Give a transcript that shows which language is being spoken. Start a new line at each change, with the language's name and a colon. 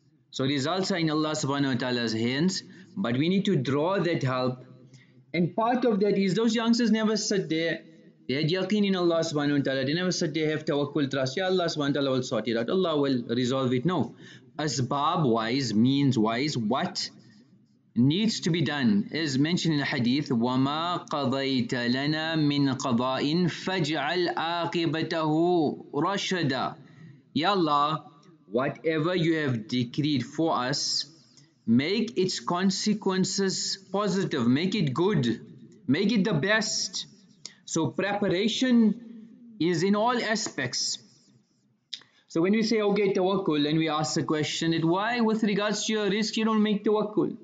English: So results are in Allah subhanahu wa ta'ala's hands, but we need to draw that help. And part of that is those youngsters never sit there. They had yaqeen in Allah subhanahu wa ta'ala. They never said they have tawakkul, trust. Ya Allah subhanahu wa ta'ala will sort it out. Allah will resolve it. No. Asbab-wise, means-wise, what needs to be done? As mentioned in the hadith,
Arabic: وَمَا قَضَيْتَ لَنَا مِنْ قَضَاءٍ فَاجْعَلْ عَاقِبَتَهُ رَشَدًا.
English: Ya Allah, whatever you have decreed for us, make its consequences positive. Make it good. Make it the best. So preparation is in all aspects. So when we say, okay, tawakkul, and we ask the question, why with regards to your risk you don't make tawakkul?